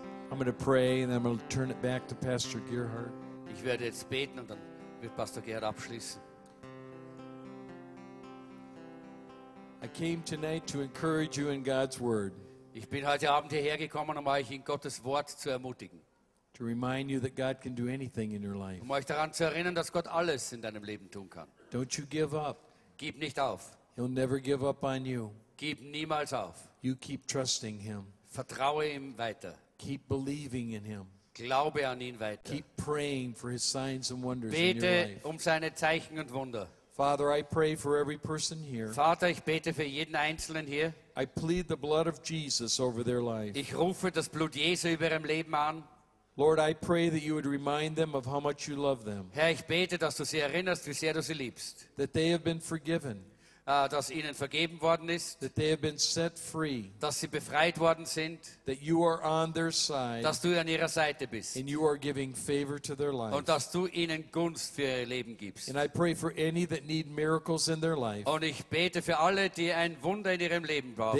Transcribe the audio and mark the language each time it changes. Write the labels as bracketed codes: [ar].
[en] I'm going to pray and I'm going to turn it back to Pastor Gerhard. [de] Ich werde jetzt beten und dann wird Pastor Gerhard abschließen. [en] I came tonight to encourage you in God's word. [de] Ich bin heute Abend hierher gekommen, um euch in Gottes Wort zu ermutigen. [en] To remind you that God can do anything in your life. [de] Um euch daran zu erinnern, dass Gott alles in deinem Leben tun kann. [en] Don't you give up. [de] Gib nicht auf. [en] He'll never give up on you. [de] Gib niemals auf. [en] You keep trusting him. [de] Vertraue ihm weiter. [en] Keep believing in him. [de] Glaube an ihn weiter. [en] Keep praying for his signs and wonders [de] bete Bete um seine Zeichen und Wunder. [en] Father, I pray for every person here. [de] Vater, ich bete für jeden Einzelnen hier. [en] I plead the blood of Jesus over their life. [de] Ich rufe das Blut Jesu über ihrem Leben an. [en] Lord, I pray that you would remind them of how much you love them. [de] Herr, ich bete, dass du sie erinnerst, wie sehr du sie liebst. [en] That they have been forgiven. [de] Dass ihnen vergeben worden ist, [en] that they have been set free, [de] dass sie befreit worden sind, [en] that you are on their side, [de] dass du an ihrer Seite bist, [en] and you are giving favor to their life, [de] und dass du ihnen Gunst für ihr Leben gibst. [en] And I pray for any that need miracles in their life, [de] und ich bete für alle, die ein Wunder in ihrem Leben brauchen,